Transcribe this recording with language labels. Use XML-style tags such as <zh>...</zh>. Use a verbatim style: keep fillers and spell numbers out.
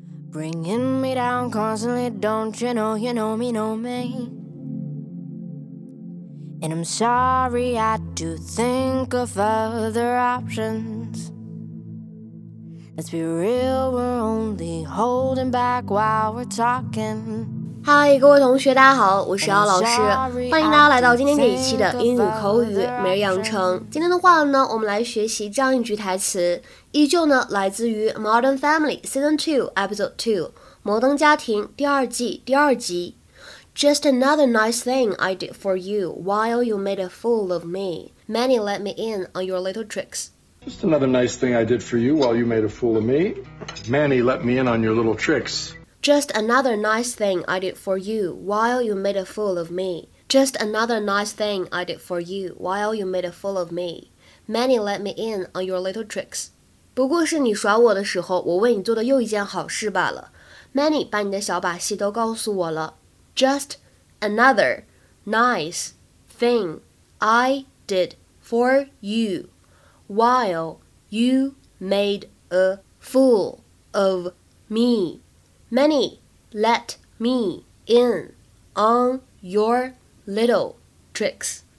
<en>Bringing me down constantly, don't you know, you know me, know me. And I'm sorry I do think of other options. Let's be real, we're only holding back while we're talking.</en> <zh>嗨，各位同学，大家好，我是姚老师，欢迎大家来到今天这一期的英语口语每日养成。今天的话呢，我们来学习这样一句台词，依旧呢来自于《Modern Family Season Two Episode Two》摩登家庭第二季第二集。</zh> <en>Just another nice thing I did for you while you made a fool of me. Many let me in on your little tricks. Just another nice thing I did for you while you made a fool of me. Many let me in on your little tricks. Just another nice thing I did for you while you made a fool of me. Just another nice thing I did for you while you made a fool of me. Many let me in on your little tricks.</en> <zh>不过是你耍我的时候，我为你做的又一件好事罢了。 Many 把你的小把戏都告诉我了。</zh> <en>Just another nice thing I did for you while you made a fool of me. Many let me in on your little tricks.</en>